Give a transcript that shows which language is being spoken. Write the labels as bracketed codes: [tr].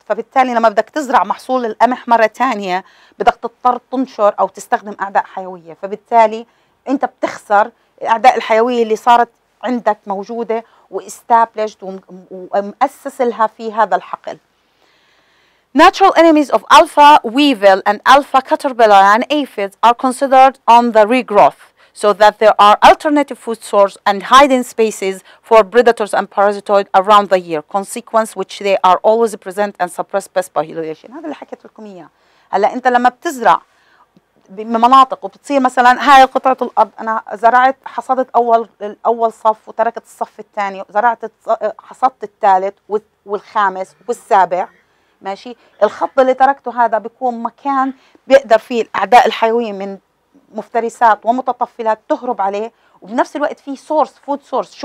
[ar] فبالتالي لما بدك تزرع محصول القمح مرة تانية بدك تضطر تنشر أو تستخدم أعداء حيوية، فبالتالي أنت بتخسر الأعداء الحيوية اللي صارت عندك موجودة واستابلشت ومؤسس لها في هذا الحقل. [en] Natural enemies of alpha weevil and alpha caterpillar and aphids are considered on the regrowth so that there are alternative food source and hiding spaces for predators and parasitoids around the year. Consequence which they are always present and suppress pest population. [ar] هذا اللي حكيت لكم إياه. هلا أنت لما بتزرع بمناطق وبتصير مثلا هاي قطعه الارض انا زرعت حصدت اول صف وتركت الصف الثاني، زرعت حصدت الثالث والخامس والسابع ماشي، الخط اللي تركته هذا بيكون مكان بيقدر فيه الاعداء الحيويه من مفترسات ومتطفلات تهرب عليه، وبنفس الوقت فيه سورس فود سورس.